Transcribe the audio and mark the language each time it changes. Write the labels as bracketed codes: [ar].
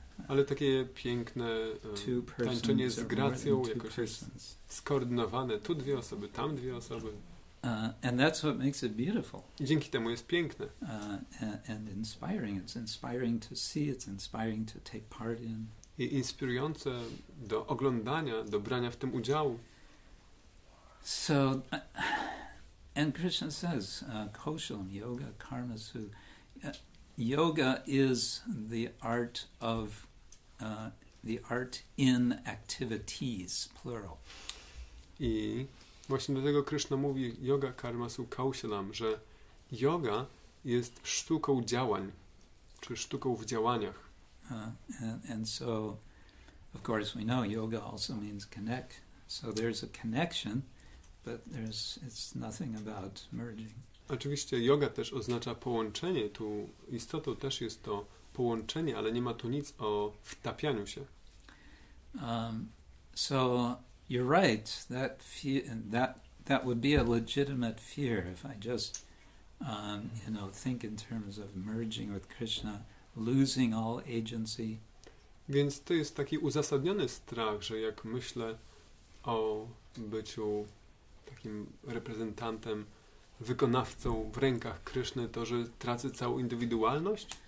[pl] Ale takie piękne tańczenie z gracją jakoś jest skoordynowane. Tu dwie osoby, tam dwie osoby. [en] And that's what makes it beautiful. [pl] I dzięki temu jest piękne. [en] And inspiring. It's inspiring to see, it's inspiring to take part in. [pl] I inspirujące do oglądania, do brania w tym udziału. [en] So, and Krishna says, [sa] kosham, yoga, karmasu. [en] Yoga is the art of the art in activities, plural. [pl] I właśnie dlatego Krishna mówi [sa] yoga karmasu kaushalam, [pl] że yoga jest sztuką działań, czy sztuką w działaniach. [en] And so, of course, we know yoga also means connect. So there's a connection, but it's nothing about merging. [pl] Oczywiście yoga też oznacza połączenie. Tu istotą też jest to połączenie, ale nie ma tu nic o wtapianiu się. [en] So you're right. That would be a legitimate fear if I just think in terms of merging with Krishna, losing all agency. [pl] Więc to jest taki uzasadniony strach, że jak myślę o byciu takim reprezentantem, wykonawcą w rękach Kryszny, to, że tracę całą indywidualność?